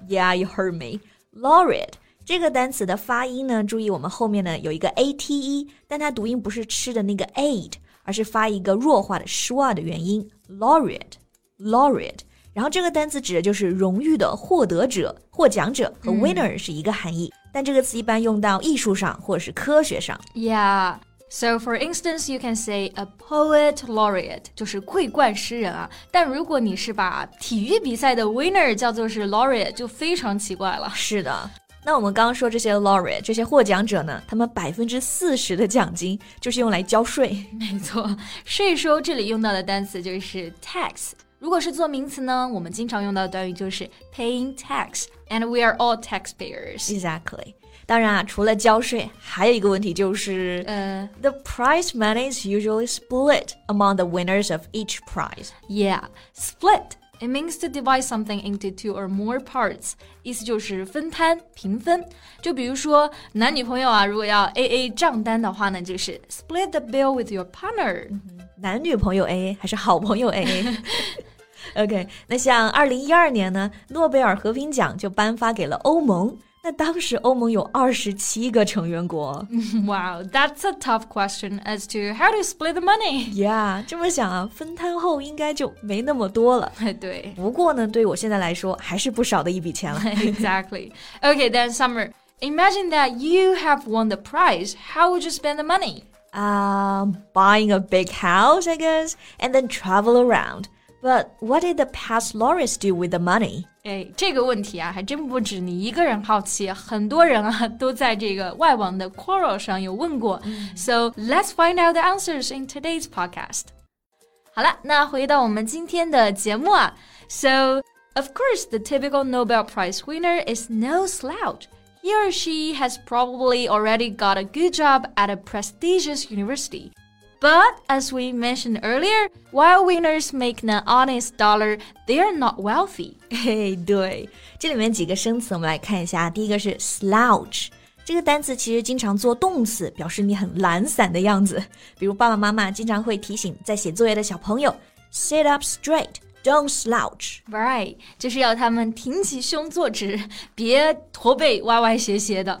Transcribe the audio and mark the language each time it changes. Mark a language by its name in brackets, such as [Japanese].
[English] Yeah, you heard me. [Chinese] Laureate 这个单词的发音呢，注意我们后面呢有一个 ate， 但它读音不是吃的那个 ate， 而是发一个弱化的 schwa 的元音。 Laureate， 然后这个单词指的就是荣誉的获得者、获奖者和 winner 是一个含义，但这个词一般用到艺术上或者是科学上。 [English] Yeah, so for instance, you can say a poet laureate [Chinese] 就是桂冠诗人啊，但如果你是把体育比赛的 winner 叫做是 laureate 就非常奇怪了。是的，那我们刚刚说这些 laureate 这些获奖者呢，他们40%的奖金就是用来交税。没错，税收这里用到的单词就是 tax。如果是做名词呢，我们经常用到的短语就是 [English] paying tax， and we are all taxpayers. Exactly. [Chinese] 当然啊，除了交税，还有一个问题就是 [English] the prize money is usually split among the winners of each prize. Yeah, split. It means to divide something into two or more parts. [Chinese] 意思就是分摊、平分。就比如说男女朋友啊，如果要 AA 账单的话呢，就是 [English] split the bill with your partner. [Chinese] 男女朋友 AA 还是好朋友 AA? [English] OK, [Chinese] 那像2012年呢，诺贝尔和平奖就颁发给了欧盟。那当时欧盟有27个成员国。 [English] Wow, that's a tough question as to how to split the money. Yeah, [Chinese] 这么想啊，分摊后应该就没那么多了。对。不过呢，对我现在来说还是不少的一笔钱了。 [English] Exactly. OK, then Summer, imagine that you have won the prize. How would you spend the money? Buying a big house, I guess, and then travel around. But what did the past laureates do with the money? [Chinese] 哎，这个问题啊，还真不止你一个人好奇，很多人啊，都在这个外网的 Quora 上有问过。 [English] So let's find out the answers in today's podcast. [Chinese] 好了，那回到我们今天的节目啊。 [English] So, of course, the typical Nobel Prize winner is no slouch. He or she has probably already got a good job at a prestigious university. But, as we mentioned earlier, while winners make an honest dollar, they are not wealthy. [Chinese] 嘿，对，这里面几个生词我们来看一下。第一个是 slouch， 这个单词其实经常做动词，表示你很懒散的样子。比如爸爸妈妈经常会提醒在写作业的小朋友 [English] sit up straight. Don't slouch. Right, [Chinese] 就是要他们挺起胸坐直，别驼背歪歪斜斜的。